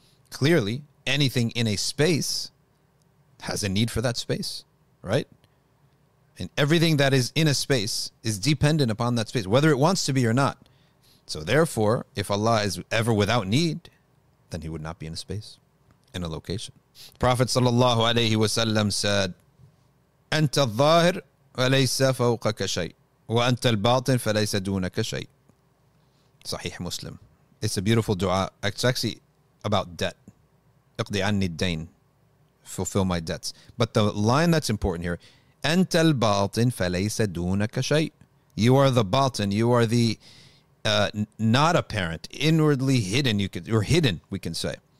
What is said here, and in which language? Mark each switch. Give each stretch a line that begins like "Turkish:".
English: Clearly, anything in a space has a need for that space, right? And everything that is in a space is dependent upon that space, whether it wants to be or not. So therefore, if Allah is ever without need, then he would not be in a space, in a location.
Arabic: Prophet sallallahu alayhi wa sallam said, أَنْتَ الظَّاهِرُ وَلَيْسَ فَوْقَكَ شَيْءٍ وَأَنْتَ الْبَاطِنُ فَلَيْسَ دُونَكَ شَيْءٍ.
English: Sahih Muslim. It's a beautiful dua. It's actually about debt.
Arabic: اقضي عني الدين.
English: Fulfill my debts. But the line that's important here,
Arabic: أَنْتَ الْبَاطِنُ فَلَيْسَ دُونَكَ شَيْءٍ.
English: You are the batin. You are the not apparent, inwardly hidden, or hidden, we can say.